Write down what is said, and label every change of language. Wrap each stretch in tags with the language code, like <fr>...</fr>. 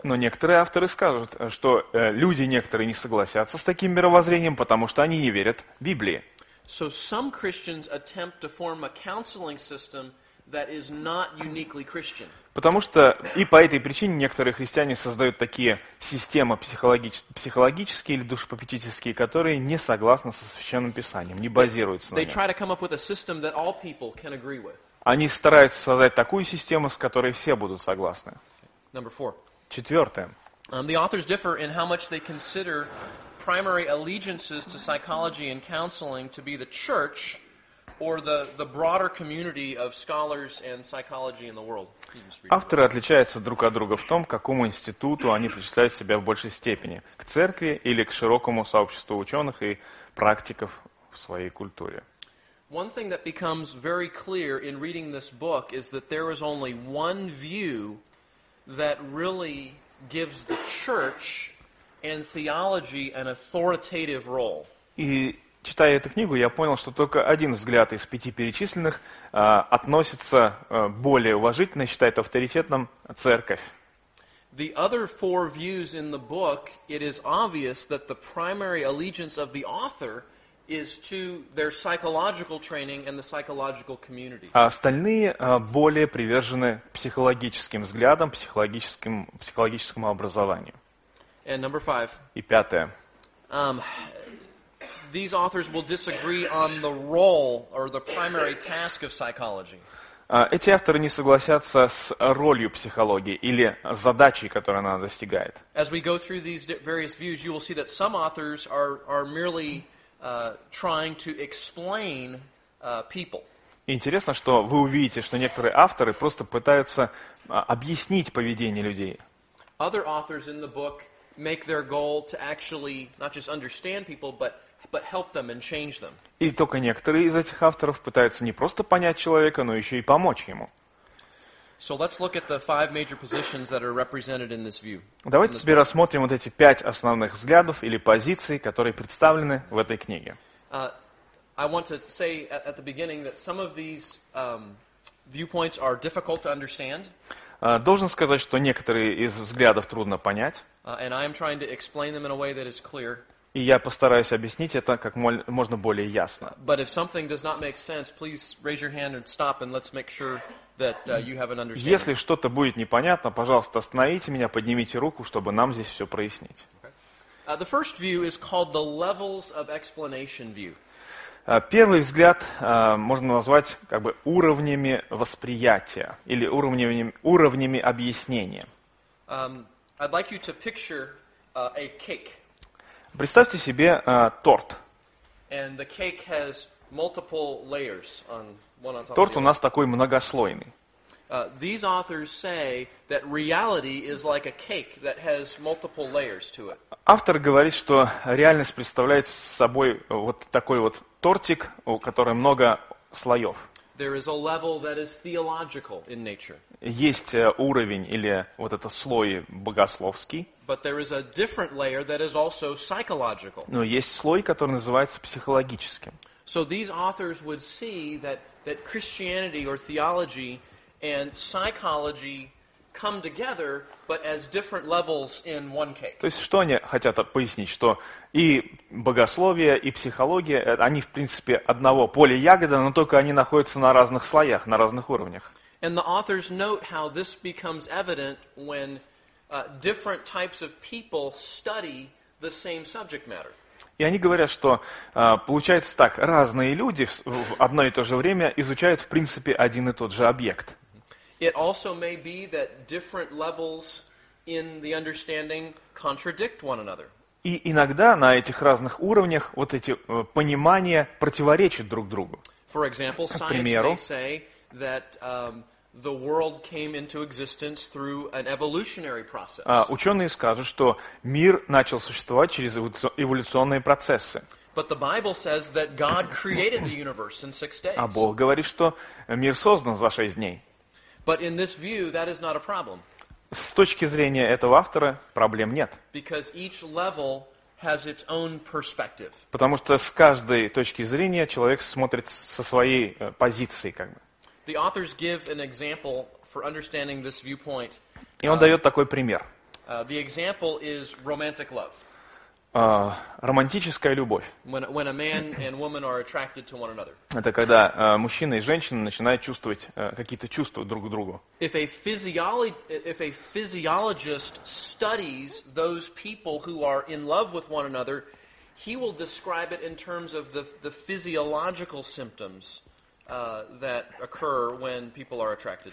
<ru>Но некоторые авторы скажут, что люди некоторые не согласятся с таким мировоззрением, потому что они не верят Библии.</ru> <en>So some Christians attempt to form a counseling system that is not uniquely Christian.</en> <ru>Потому что и по этой причине некоторые христиане создают такие системы психологические или душепопечительские, которые не согласны со Священным Писанием, не базируются на нем.</ru> <en>They try to come up with a system that all people can agree with.</en> <ru>Они стараются создать такую систему, с которой все будут согласны.</ru> <en>Number four.</en> <ru>Четвертое.</ru> <en>The authors differ in how much they consider primary allegiances to psychology and counseling to be the church or the broader community of scholars and psychology in the world.</en> <ru>Авторы отличаются друг от друга в том, к какому институту они причисляют себя в большей степени, к церкви или к широкому сообществу ученых и практиков в своей культуре.</ru> <en>One thing that becomes very clear in reading this book is that there is only one view that really gives the church and theology an authoritative role.</en> <ru>И читая эту книгу, я понял, что только один взгляд из пяти перечисленных относится более уважительно, считает авторитетным церковь.</ru> <en>The other four views in the book, it is obvious that the primary allegiance of the author is to their psychological training and the psychological community.</en> <ru>А остальные более привержены психологическим взглядам, психологическому образованию.</ru> <en>And number five.</en> <ru>И пятое.</ru> <en>These authors will disagree on the role or the primary task of psychology.</en> <ru>Эти авторы не согласятся с ролью психологии или задачей, которую она достигает.</ru> <en>As we go through these various views, you will see that some authors are merely trying to explain people.</en> <ru>Интересно, что вы увидите, что некоторые авторы просто пытаются объяснить поведение людей.</ru> <en>Other authors in the book make their goal to actually not just understand people, but help them and change them.</en> <ru>И только некоторые из этих авторов пытаются не просто понять человека, но еще и помочь ему.</ru> <en>So let's look at the five major positions that are represented in this view.</en> <ru>Давайте теперь рассмотрим вот эти пять основных взглядов или позиций, которые представлены в этой книге.</ru> <en>I want to say at the beginning that some of these viewpoints are difficult to understand.</en> <ru>Должен сказать, что некоторые из взглядов трудно понять.</ru> <en>And I am trying to explain them in a way that is clear.</en> <ru>И я постараюсь объяснить это как можно более ясно.</ru> <en>But if something does not make sense, please raise your hand and stop, and let's make sure that you have an understanding.</en> <ru>Если что-то будет непонятно, пожалуйста, остановите меня, поднимите руку, чтобы нам здесь все прояснить.</ru> <en>Okay. The first view is called the levels of explanation view.</en> <ru>Первый взгляд можно назвать как бы уровнями восприятия или уровнями объяснения.</ru> <en>I'd like you to picture a cake.</en> <ru>Представьте себе торт.</ru> <en>And the cake has multiple layers on one on top.</en> <ru>Торт у нас такой многослойный.</ru> <en>These authors say that reality is like a cake that has multiple layers to it.</en> <ru>Автор говорит, что реальность представляет собой вот такой вот тортик, у которого много слоев.</ru> <en>There is a level that is theological in nature.</en> <ru>Есть уровень или вот этот слой богословский.</ru> <en>But there is a different layer that is also psychological.</en> <ru>Но есть слой, который называется психологическим.</ru> <en>So these authors would see that Christianity or theology and psychology come together, but as different levels in one cake.</en> <ru>То есть что они хотят пояснить, что и богословие, и психология, они в принципе одного поля ягода, но только они находятся на разных слоях, на разных уровнях.</ru> <en>And the authors note how this becomes evident when different types of people study the same subject matter.</en> <ru>И они говорят, что получается так, разные люди в одно и то же время изучают в принципе один и тот же объект.</ru> <en>It also may be that different levels in the understanding contradict one another.</en> <ru>И иногда на этих разных уровнях вот эти понимания противоречат друг другу.</ru> <en>For example, science may say that the world came into existence through an evolutionary process.</en> <ru>Ученые скажут, что мир начал существовать через эволюционные процессы.</ru> <en>But the Bible says that God created the universe in six days.</en> <ru>А Бог говорит, что мир создан за шесть дней.</ru> <en>But in this view, that is not a problem.</en> <ru>С точки зрения этого автора проблем нет.</ru> <en>Because each level has its own perspective.</en> <ru>Потому что с каждой точки зрения человек смотрит со своей позиции, как бы.</ru> <en>The authors give an example for understanding this viewpoint.</en> <ru>И он дает такой пример.</ru> <en>The example is romantic love.</en> <ru>Романтическая любовь.</ru> <en>When a man and woman are attracted to one another.</en> <ru>Это когда мужчина и женщина начинают чувствовать какие-то чувства друг к другу.</ru> <en>If a physiologist studies those people who are in love with one another, he will describe it in terms of the physiological symptoms that occur when people are attracted.</en>